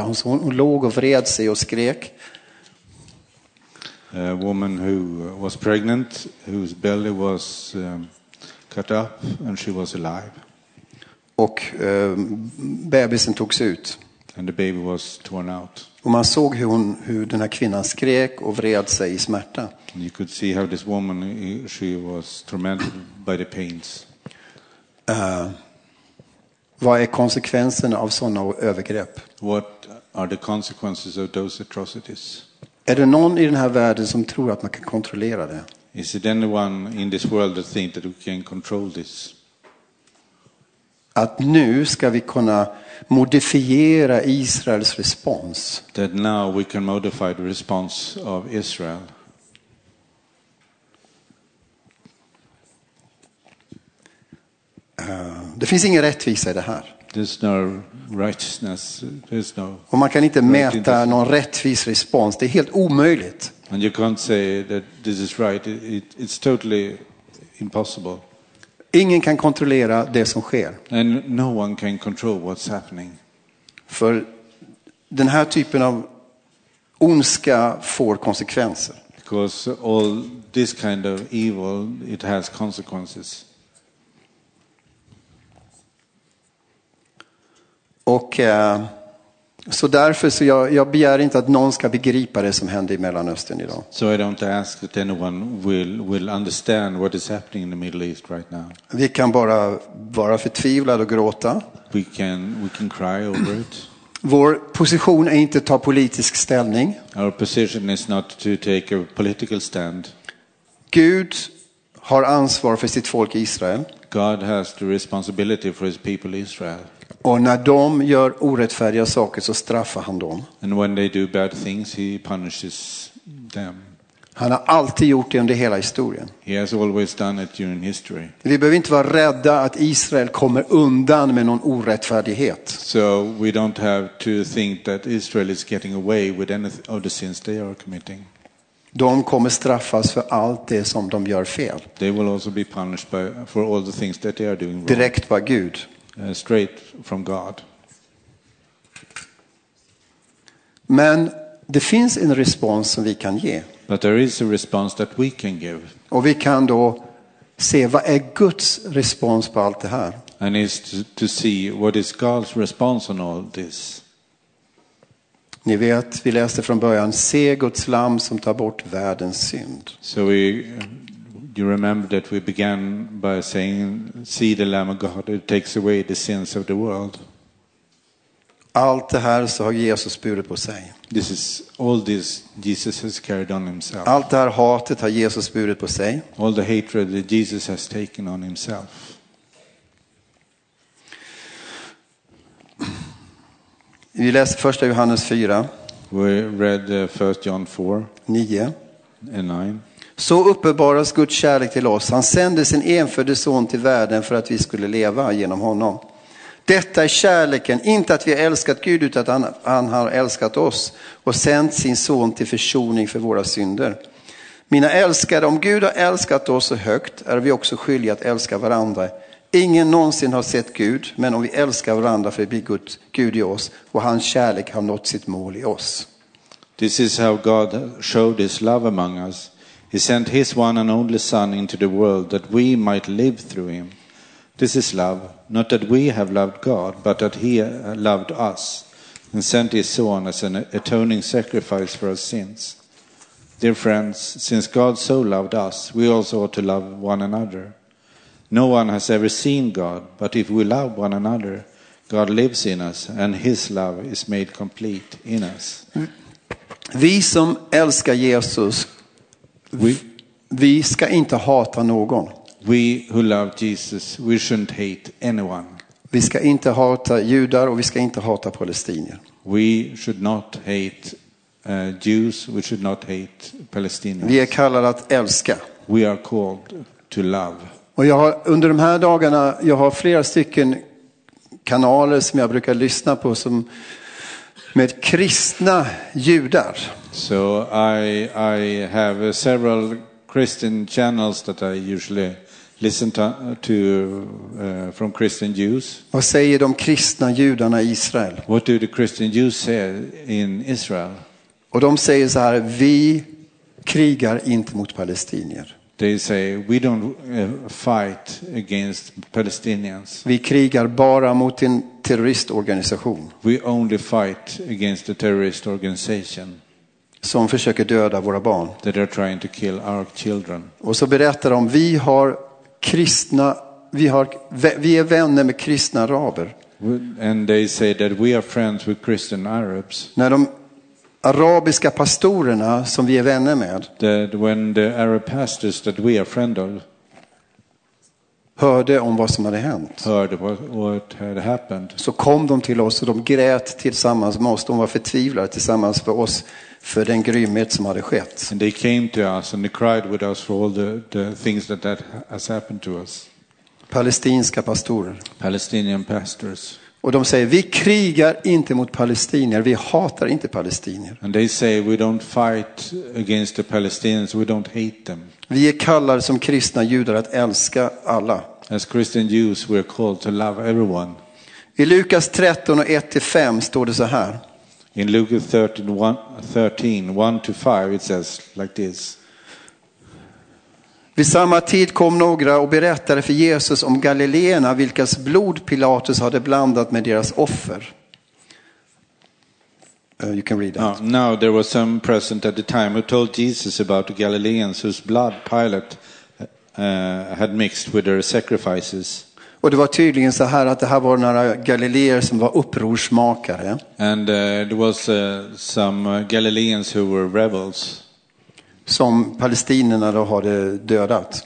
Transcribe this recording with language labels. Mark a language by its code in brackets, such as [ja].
[sv] Hon låg och vred sig och skrek. [en] A woman who was pregnant, whose belly was cut up, and she was alive. [sv] Och bebisen togs ut. [en] And the baby was torn out. [sv] Och man såg hur den här kvinnan skrek och vred sig i smärta. [en] And you could see how this woman, she was tormented by the pains. [sv] Vad är konsekvenserna av såna övergrepp? [en] What are the consequences of those atrocities? [sv] Är det någon i den här världen som tror att man kan kontrollera det? [en] Is it anyone in this world that thinks that we can control this? [sv] Att nu ska vi kunna modifiera Israels respons. [en] That now we can modify the response of Israel. [sv] Det finns ingen rättvisa i det här. [en] There's no righteousness. There's no. [sv] Och man kan inte mäta någon rättvis respons. Det är helt omöjligt. [en] And you can't say that this is right. It's totally impossible. [sv] Ingen kan kontrollera det som sker. [en] And no one can control what's happening. [sv] För den här typen av ondska får konsekvenser. [en] Because all this kind of evil, it has consequences. [sv] Och så därför så jag begär inte att någon ska begripa det som händer i Mellanöstern idag. [en] So I don't ask that anyone will understand what is happening in the Middle East right now. [sv] Vi kan bara vara förtvivlade och gråta. [en] We can cry over it. [sv] Vår position är inte att ta politisk ställning. [en] Our position is not to take a political stand. [sv] Gud har ansvar för sitt folk Israel. [en] God has the responsibility for his people Israel. [sv] Och när de gör orättfärdiga saker så straffar han dem. [en] And when they do bad things, he punishes them. [sv] Han har alltid gjort det under hela historien. [en] He has always done it during history. [sv] Vi behöver inte vara rädda att Israel kommer undan med någon orättfärdighet. [en] So we don't have to think that Israel is getting away with any of the sins they are committing. [sv] De kommer straffas för allt det som de gör fel. [en] They will also be punished for all the things that they are doing wrong. [sv] Direkt på Gud. [en] Straight from God. [sv] Men det finns en respons som vi kan ge. [en] But there is a response that we can give. [sv] Och vi kan då se vad är Guds respons på allt det här. [en] And is to see what is God's response on all this. [sv] Ni vet, vi läste från början, se Guds lamm som tar bort världens synd. [en] So we, you remember that we began by saying, see the Lamb of God, it takes away the sins of the world. [sv] Allt det här så har Jesus burit på sig. [en] This is all this Jesus has carried on himself. [sv] Allt det här hatet har Jesus burit på sig. [en] All the hatred that Jesus has taken on himself. [sv] Vi läste 1 Johannes 4. [en] We read 1 John 4. [sv] 9. [en] And 9. [sv] Så uppenbaras Guds kärlek till oss. Han sände sin enfödde son till världen för att vi skulle leva genom honom. Detta är kärleken, inte att vi har älskat Gud utan att han har älskat oss och sänt sin son till försoning för våra synder. Mina älskade, om Gud har älskat oss så högt är vi också skyldiga att älska varandra. Ingen någonsin har sett Gud, men om vi älskar varandra förblir Gud i oss och hans kärlek har nått sitt mål i oss. [en] This is how God showed his love among us. He sent his one and only son into the world that we might live through him. This is love, not that we have loved God, but that he loved us and sent his son as an atoning sacrifice for our sins. Dear friends, since God so loved us, we also ought to love one another. No one has ever seen God, but if we love one another, God lives in us and his love is made complete in us. [sv] Vi som älskar Jesus, vi ska inte hata någon. [en] We who love Jesus, we shouldn't hate anyone. [sv] Vi ska inte hata judar och vi ska inte hata palestinier. [en] We should not hate Jews, we should not hate Palestinians. [sv] Vi är kallade att älska. [en] We are called to love. [sv] Och jag har under de här dagarna, jag har flera stycken kanaler som jag brukar lyssna på som med kristna judar. [en] So I have several Christian channels that I usually listen to from Christian Jews. [sv] Vad säger de kristna judarna i Israel? [en] What do the Christian Jews say in Israel? [sv] Och de säger så här: vi krigar inte mot palestinier. [en] They say we don't fight against Palestinians. [sv] Vi krigar bara mot en terroristorganisation. [en] We only fight against a terrorist organization. [sv] Som försöker döda våra barn. [en] That are trying to kill our children. [sv] Och så berättar de: vi har kristna, vi är vänner med kristna araber. [en] And they say that we are friends with Christian Arabs. [sv] När de arabiska pastorerna som vi är vänner med, [en] that when the Arab pastors that we are friends of, [sv] hörde om vad som hade hänt, [en] heard what had happened, [sv] så kom de till oss och de grät tillsammans med oss. De var förtvivlade tillsammans för oss för den grymhet som hade skett. [en] And they came to us and they cried with us for all the things that has happened to us. [sv] Palestinska pastorer. [en] Palestinian pastors. [sv] Och de säger: vi krigar inte mot palestinier, vi hatar inte palestinier. [en] And they say we don't fight against the Palestinians, we don't hate them. [sv] Vi är kallade som kristna judar att älska alla. [en] As Christian Jews we are called to love everyone. [sv] I Lukas 13 och 1-5 står det så här. [en] In Luke 13:1-5 it says like this. [sv] Vid samma tid kom några och berättade för Jesus om galileerna vilkas blod Pilatus hade blandat med deras offer. [en] You can read that. Now there was some present at the time who told Jesus about the Galileans whose blood Pilate had mixed with their sacrifices. [sv] Och det var tydligen så här att det här var några galileer som var upprorsmakare. [en] And there was some Galileans who were rebels. [sv] Som palestinerna då hade dödat.